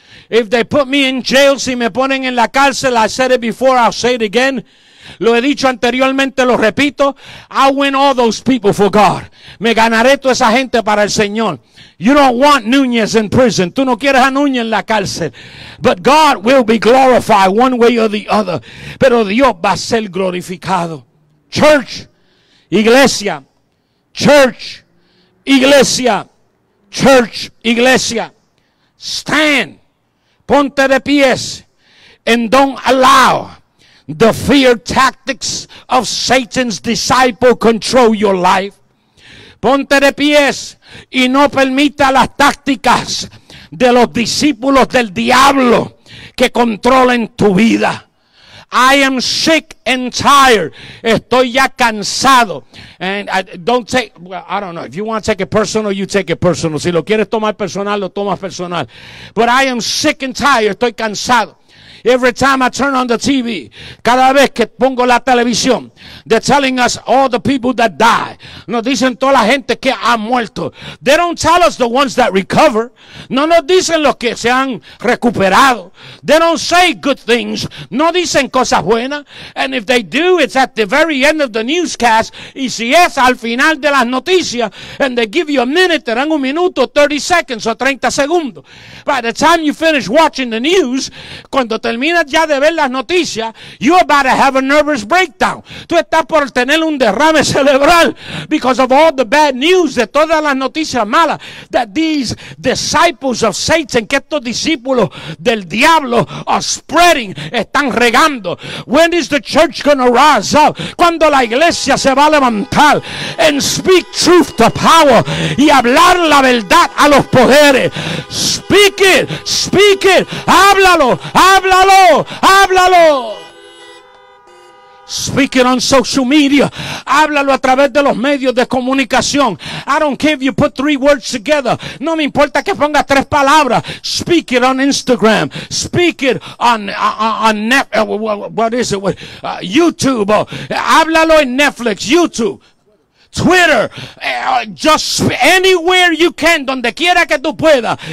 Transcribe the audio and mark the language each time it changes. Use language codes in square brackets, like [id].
[en] If they put me in jail, [es] si me ponen en la cárcel, [en] I said it before, I'll say it again. [es] Lo he dicho anteriormente, lo repito. [en] I'll win all those people for God. [es] Me ganaré toda esa gente para el Señor. [en] You don't want Núñez in prison. [es] Tú no quieres a Núñez en la cárcel. [en] But God will be glorified one way or the other. [es] Pero Dios va a ser glorificado. Church, iglesia. [en] Church, iglesia. Church, iglesia. Stand. [es] Ponte de pies. [en] And don't allow the fear tactics of Satan's disciple control your life. [es] Ponte de pies y no permita las tácticas de los discípulos del diablo que controlen tu vida. [en] I am sick and tired. [es] Estoy ya cansado. [en] If you want to take it personal, you take it personal. [es] Si lo quieres tomar personal, lo tomas personal. [en] But I am sick and tired. [es] Estoy cansado. [en] Every time I turn on the TV, [es] cada vez que pongo la televisión, [en] they're telling us all the people that die. [es] Nos dicen toda la gente que ha muerto. [en] They don't tell us the ones that recover. [es] No nos dicen los que se han recuperado. [en] They don't say good things. [es] No dicen cosas buenas. [en] And if they do, it's at the very end of the newscast. [es] Y si es al final de las noticias, [en] and they give you a minute, [es] te dan un minuto, [en] 30 seconds [es] o 30 segundos. [en] By the time you finish watching the news, [es] cuando terminas ya de ver las noticias, [en] you're about to have a nervous breakdown. [es] Tú estás por tener un derrame cerebral [en] because of all the bad news, [es] de todas las noticias malas [en] that these disciples of Satan, [es] que estos discípulos del diablo [en] are spreading, [es] están regando. [en] When is the church going to rise up? [es] Cuando la iglesia se va a levantar [en] and speak truth to power, [es] y hablar la verdad a los poderes. [en] Speak it, speak it. [es] Háblalo, háblalo, háblalo. [en] Speak it on social media. [es] Háblalo a través de los medios de comunicación. [en] I don't care if you put three words together. [es] No me importa que ponga tres palabras. [en] Speak it on Instagram. Speak it on Netflix. What is it? YouTube. [es] Háblalo en Netflix, YouTube, Twitter, [en] just anywhere you can, [es] donde quiera que tú puedas.